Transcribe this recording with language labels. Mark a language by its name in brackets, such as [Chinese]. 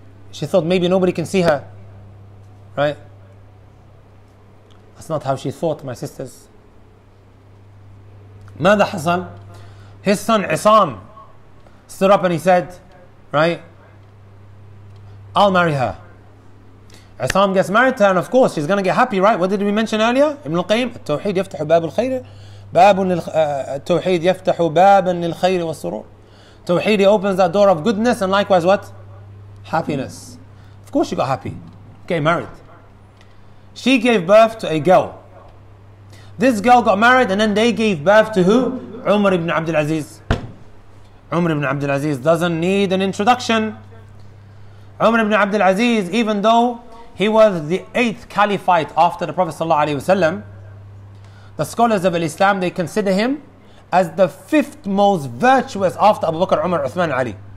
[English] She thought maybe nobody can see her. Right? That's not how she thought, my sisters. [Arabic] ماذا حصل? [English] His son Isam stood up and he said, right? I'll marry her. Isam gets married to her and of course she's going to get happy, right? What did we mention earlier? [Arabic] Ibn al-Qayyim, التوحيد يفتح باب الخير باب التوحيد يفتح باب للخير والسرور. [English] توحيد opens that door of goodness and likewise what? Happiness. Of course she got happy. Okay, married. She gave birth to a girl. This girl got married and then they gave birth to who? Umar ibn Abdul Aziz. Umar ibn Abdul Aziz doesn't need an introduction. Umar ibn Abdul Aziz, even though he was the 8th caliphate after the Prophet sallallahu alaihi wasallam, the scholars of Islam, they consider him as the 5th most virtuous after Abu Bakr, Umar, Uthman, Ali.